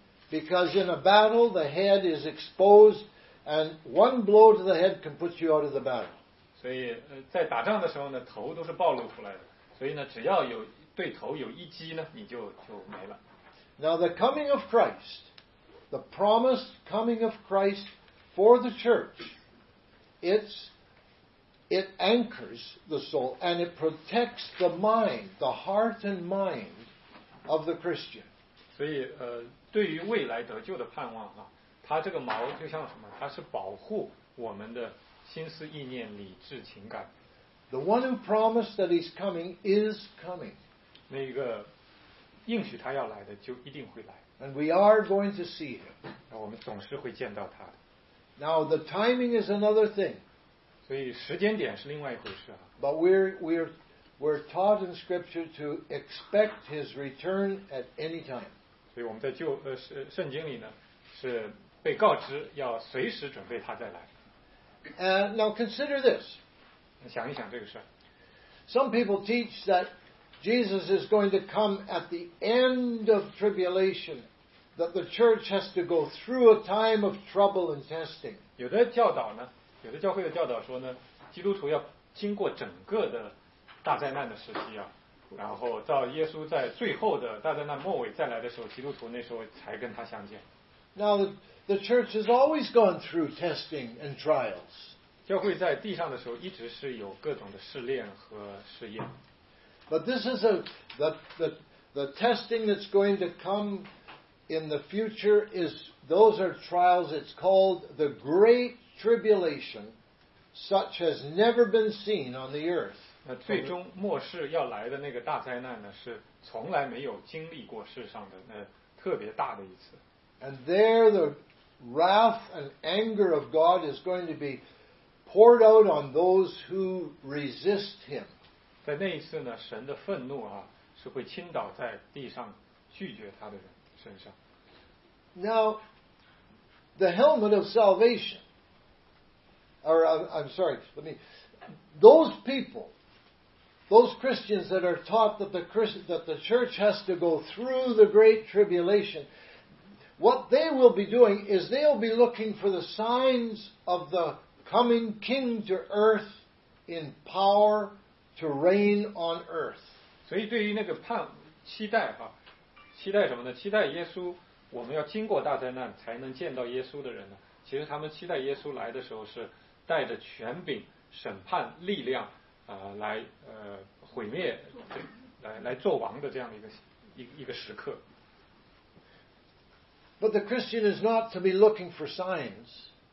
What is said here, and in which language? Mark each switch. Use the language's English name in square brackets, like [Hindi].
[English] Because in a battle, the head is exposed, and one blow to the head can put you out of the battle. [Chinese] 所以在打仗的时候呢，头都是暴露出来的。所以呢，只要有对头有一击呢，你就没了。 [English] Now the coming of Christ, the promised coming of Christ for the church, it's it anchors the soul and it protects the mind, the heart and mind of the Christian. [Chinese] 所以对于未来得救的盼望啊，它这个锚就像什么？它是保护我们的心思意念、理智、情感。 [English] The one who promised that he's coming is coming. [Chinese] 那个应许他要来的就一定会来。 [English] And we are going to see him. [Chinese] 那我们总是会见到他的。 [English] Now the timing is another thing. [Chinese] 所以时间点是另外一回事啊。 [English] But we're taught in Scripture to expect his return at any time. [Chinese] 所以我们在旧圣经里呢，是被告知要随时准备他再来。 [English] Now consider this. [Chinese] 想一想这个事。 [English] Some people teach that Jesus is going to come at the end of tribulation, that the church has to go through a time of trouble and testing. [Chinese] 有的教导呢，有的教会的教导说呢，基督徒要经过整个的大灾难的时期啊，然后到耶稣在最后的大灾难末尾再来的时候，基督徒那时候才跟他相见。 [English] Now the church has always gone through testing and trials. [Chinese] 教会在地上的时候一直是有各种的试炼和试验。 [English] But this is the testing that's going to come in the future is those are trials. It's called the Great Tribulation, such as never been seen on the earth. [Chinese] 那最终末世要来的那个大灾难呢，是从来没有经历过世上的那特别大的一次。 [English] And there, the wrath and anger of God is going to be poured out on those who resist Him. [Chinese] 在那一次呢，神的愤怒啊，是会倾倒在地上拒绝他的人身上。 [English] Now, the helmet of salvation, or I'm sorry, let me. Those people, those Christians that are taught that the church has to go through the great tribulation, what they will be doing is they'll be looking for the signs of the coming King to earth in power. To reign on earth. [Chinese] 所以对于那个期待啊，期待什么呢？期待耶稣，我们要经过大灾难才能见到耶稣的人呢？其实他们期待耶稣来的时候是带着权柄、审判、力量来毁灭，来做王的这样的一个时刻。 [English] But the Christian is not to be looking for signs.